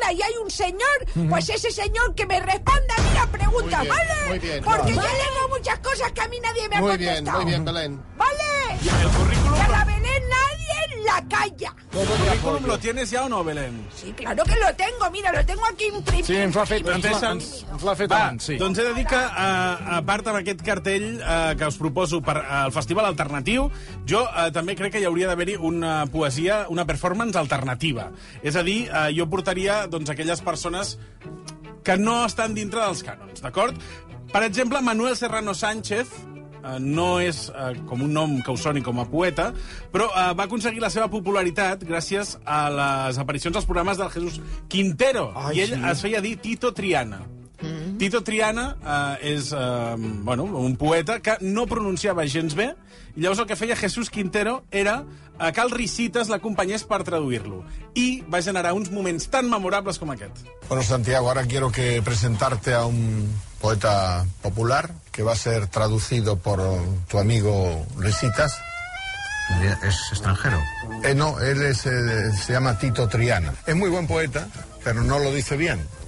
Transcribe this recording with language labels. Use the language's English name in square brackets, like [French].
[Spanish] Ahí hay un señor, pues ese señor que me responda a mí la pregunta, muy ¿vale? Bien, muy bien, porque claro. Yo tengo muchas cosas que a mí nadie me ha contestado. Muy bien, Belén. ¿Vale? El currículum... Que la Belén nadie en la calla. ¿El currículum lo tienes ya o no, Belén? Sí, claro que lo tengo. Mira, lo tengo aquí imprimido. [Catalan] Sí, ens l'ha fet abans. Ens l'ha fet abans, sí. Doncs he de dir que, a part amb aquest cartell que us proposo per al Festival Alternatiu, jo també crec que hi hauria d'haver-hi una poesia, una performance alternativa. És a dir, jo portaria doncs, aquelles persones que no estan dintre dels cànons, d'acord? Per exemple, Manuel Serrano Sánchez... no és com un nom que us soni com a poeta, però va aconseguir la seva popularitat gràcies a les aparicions als programes del Jesús Quintero. Ai, i ell sí. Es feia dir Tito Triana. Mm-hmm. Tito Triana és bueno, un poeta que no pronunciava gens bé, i llavors el que feia Jesús Quintero era que el Ricitas l'acompanyés per traduir-lo. I va generar uns moments tan memorables com aquest. [Spanish] Bueno, Santiago, ahora quiero que presentarte a un poeta popular que va a ser traducido por tu amigo Ricitas. ¿Es extranjero? No, él es, se llama Tito Triana. Es muy buen poeta, pero no lo dice bien.